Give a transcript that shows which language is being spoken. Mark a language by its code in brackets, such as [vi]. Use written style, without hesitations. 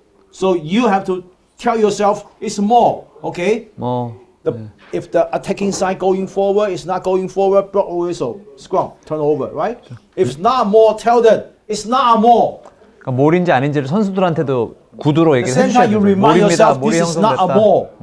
[en] So you have to tell yourself it's more, okay? More. If the attacking side going forward, it's not going forward, block or whistle, scrum, turn over, right? If it's not more, tell them it's not more. [ko] 그러니까 몰인지 아닌지를 선수들한테도 구두로 얘기해 주셔야 돼요. [en] You remind yourself this is not a more.